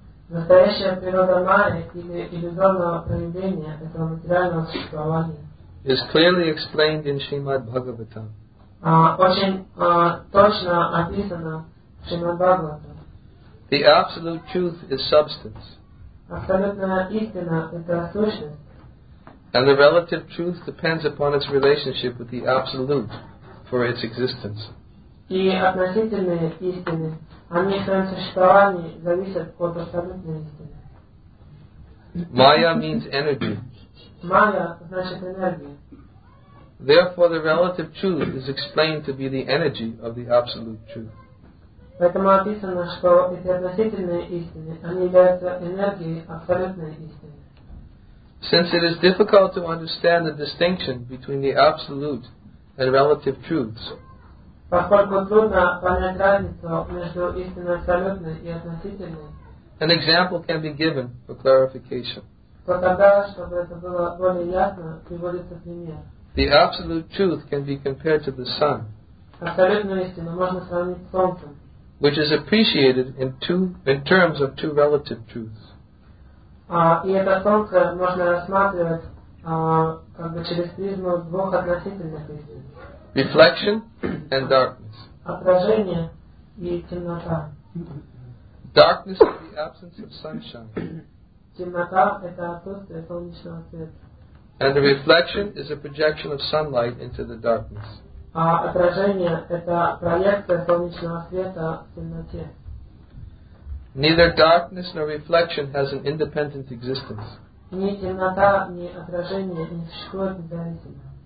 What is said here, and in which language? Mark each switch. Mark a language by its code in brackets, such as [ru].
[ru] настоящая природа Майи или иллюзорного проявления этого материального существования [en] is clearly explained in Shrimad Bhagavatam. [ru] Очень точно описано в Шримад Бхагаватам. [en] The absolute truth is substance. [ru] Абсолютная истина – это сущность. [en] And the relative truth depends upon its relationship with the absolute for its existence. [ru] И относительные истины, они в своем существовании зависят от абсолютной истины. [en] Maya means energy. [ru] Maya значит энергия. [en] Therefore, the relative truth is explained to be the energy of the absolute truth. [ru] Поэтому описано, что эти относительные истины, они являются энергией абсолютной истины. [en] Since it is difficult to understand the distinction between the absolute and relative truths, [ru] поскольку трудно понять разницу между истинно абсолютной и относительной, [en] an example can be given for clarification. [ru] То тогда, чтобы это было более ясно, приводится пример. [en] The absolute truth can be compared to the sun. [ru] Абсолютную истину можно сравнить с солнцем. [en] Which is appreciated in terms of two relative truths. [ru] И это солнце можно рассматривать как бы через призму двух относительных истин. [en] Reflection and darkness. [ru] Отражение и темнота. [en] Darkness is the absence of sunshine. [ru] Темнота – это отсутствие солнечного света. [en] And the reflection is a projection of sunlight into the darkness. [ru] А отражение – это проекция солнечного света в темноте. [en] Neither darkness nor reflection has an independent existence. [ru] Ни темнота, ни отражение не существует независимо.